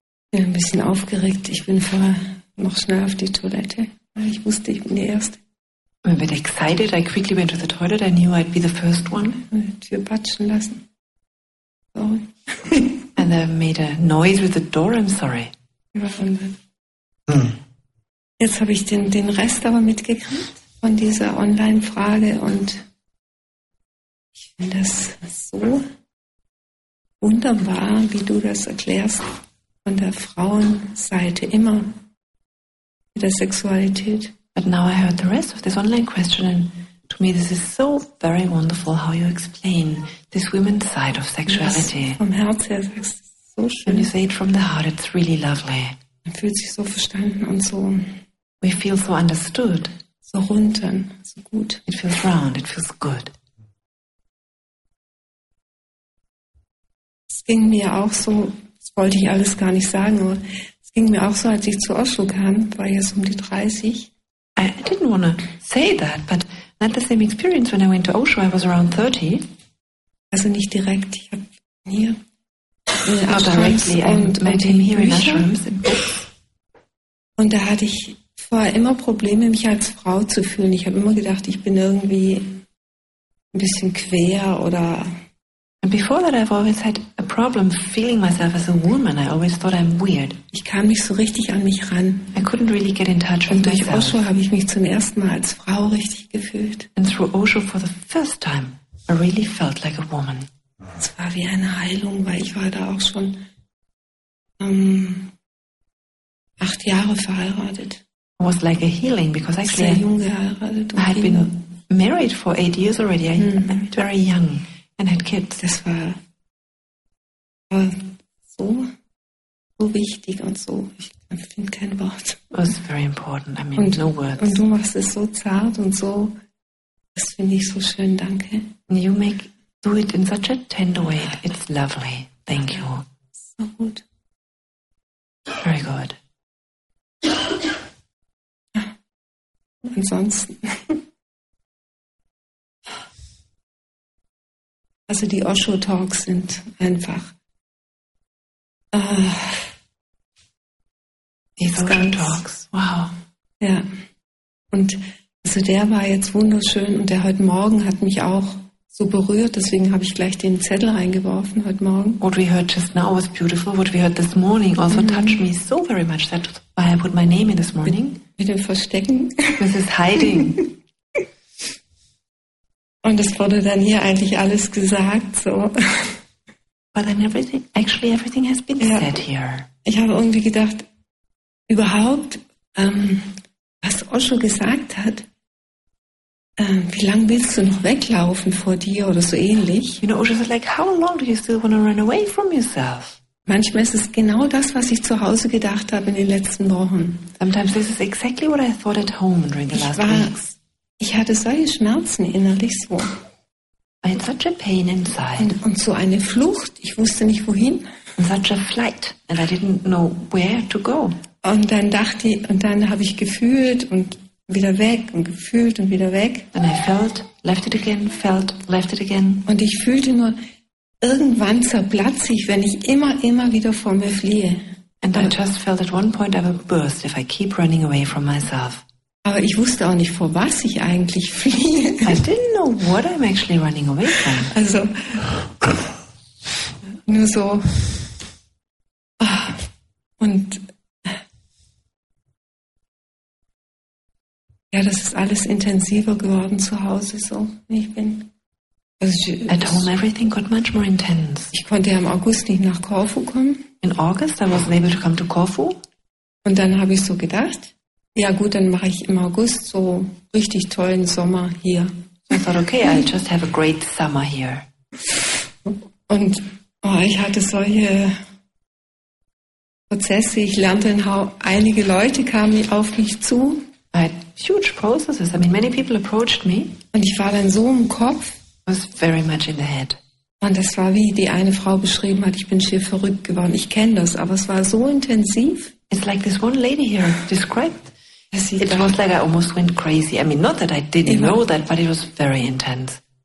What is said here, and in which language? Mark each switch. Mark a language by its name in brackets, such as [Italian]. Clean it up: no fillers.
[German] Ich bin ein bisschen aufgeregt. Ich bin vorher noch schnell auf die Toilette, weil ich wusste, ich bin die Erste. Man wird [English] excited, I quickly went to the toilet, I knew I'd be the first one. [German] Tür patschen lassen. [English] Sorry. And I made a noise with the door, I'm sorry. [German] Jetzt habe ich den Rest aber mitgekriegt von dieser Online-Frage und ich finde das so wunderbar, wie du das erklärst von der Frauenseite immer mit der Sexualität. [English] But now I heard the rest of this online question and to me this is so very wonderful how you explain this women's side of sexuality. [German] Das vom Herz her sagst du, so schön. [English] When you say it from the heart, it's really lovely. [German] Man fühlt sich so verstanden und so. [English] We feel so understood. [German] So rund und so gut. [English] It feels round, it feels good. [German] Es ging mir auch so, das wollte ich alles gar nicht sagen, aber es ging mir auch so, als ich zu Osho kam, war jetzt um die 30. [English] I didn't want to say that, but I had the same experience when I went to Osho, I was around 30. [German] Also nicht direkt, ich habe hier. [English] Not directly, [German] und [English] met him here in Ashrams. [German] Und da hatte ich vorher immer Probleme, mich als Frau zu fühlen. Ich habe immer gedacht, ich bin irgendwie ein bisschen quer oder. [English] And before that I've always had a problem feeling myself as a woman. I always thought I'm weird. [German] Ich kam nicht so richtig an mich ran. [English] I couldn't really get in touch with myself. [German] Und durch Osho habe ich mich zum ersten Mal als Frau richtig gefühlt. [English] And through Osho for the first time I really felt like a woman. [German] Es war wie eine Heilung, weil ich war da auch schon 8 Jahre verheiratet. [English] It was like a healing because actually [German] sehr jung geheiratet. [English] I had been married for 8 years already. I was very young and had kids. [German] Das war so wichtig und so. Ich finde kein Wort. [English] It was very important. I mean, und, no words. [German] Und du machst es so zart und so. Das finde ich so schön. Danke. [English] You make do it in such a tender way. It's lovely. Thank you. [German] So gut. [English] Very good. [German] Ansonsten. Also die Osho-Talks sind einfach die Osho-Talks. Wow. Ja. Und also der war jetzt wunderschön und der heute Morgen hat mich auch so berührt, deswegen habe ich gleich den Zettel reingeworfen heute Morgen. [English] What we heard just now was beautiful. What we heard this morning also touched me so very much. That's why I put my name in this morning. [German] Mit dem Verstecken. [English] This is hiding. [German] Und es wurde dann hier eigentlich alles gesagt. So. [English] But then everything, actually everything has been said here. [German] Ich habe irgendwie gedacht, überhaupt, was Osho gesagt hat, wie lange willst du noch weglaufen vor dir oder so ähnlich? [English] You know, Osho is like, how long do you still want to run away from yourself? [German] Manchmal ist es genau das, was ich zu Hause gedacht habe in den letzten Wochen. [English] Sometimes this is exactly what I thought at home during the last weeks. [German] Ich hatte solche Schmerzen innerlich so. [English] I had such a pain inside. [German] Und so eine Flucht, ich wusste nicht wohin. [English] And such a flight, and I didn't know where to go. [German] Und dann dachte ich, und dann habe ich gefühlt und wieder weg und gefühlt und wieder weg. [English] And I felt, left it again, felt, left it again. [German] Und ich fühlte nur, irgendwann zerplatze ich, wenn ich immer wieder vor mir fliehe. [English] And I just felt at one point I will burst if I keep running away from myself. [German] Aber ich wusste auch nicht, vor was ich eigentlich fliehe. [English] I didn't know what I'm actually running away from. [German] Also, nur so. Und ja, das ist alles intensiver geworden zu Hause, so wie ich bin. [English] Also, at home everything got much more intense. [German] Ich konnte ja im August nicht nach Corfu kommen. [English] In August I wasn't able to come to Corfu. [German] Und dann habe ich so gedacht, ja gut, dann mache ich im August so richtig tollen Sommer hier. [English] I thought, okay, I'll just have a great summer here. [German] Und oh, ich hatte solche Prozesse, ich lernte einige Leute kamen auf mich zu. [English] I had huge processes. I mean, many people approached me. [German] Und ich war dann so im Kopf. [English] I was very much in the head. [German] Und das war, wie die eine Frau beschrieben hat, ich bin schier verrückt geworden. Ich kenne das, aber es war so intensiv. [English] It's like this one lady here described. It was like I almost went crazy. I mean, not that I didn't know that, but it was very intense.